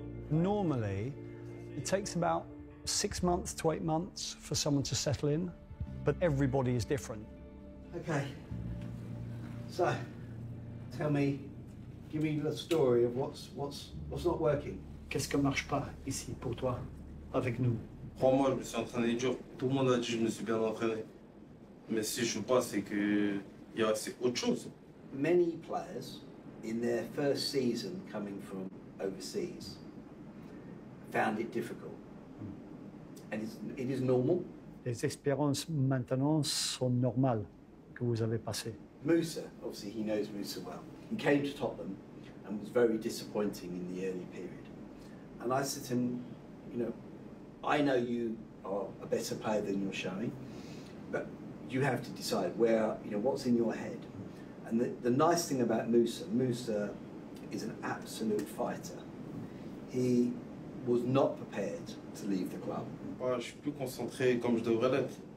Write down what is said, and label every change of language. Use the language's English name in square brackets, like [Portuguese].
[English] Normally, it takes about 6 months to 8 months for someone to settle in, but everybody is different. Okay. So, tell me, give me the story of what's not working. [French] Qu'est-ce qui marche pas ici pour toi, avec nous? Crois-moi, je me suis entraîné dur. Tout le monde a dit que je me suis bien entraîné. Mais si je joue pas, c'est que il y a c'est autre chose. [English] Many players in their first season coming from overseas found it difficult. And it is normal. [French] Les expériences maintenant sont normales que vous avez passées. [English] Moussa, obviously he knows Moussa well. He came to Tottenham and was very disappointing in the early period. And I said to him, you know, I know you are a better player than you're showing, but you have to decide where, you know, what's in your head. And the nice thing about Moussa is an absolute fighter. He was not prepared to leave the club. [French] Ouais, je suis plus concentré comme je devrais l'être.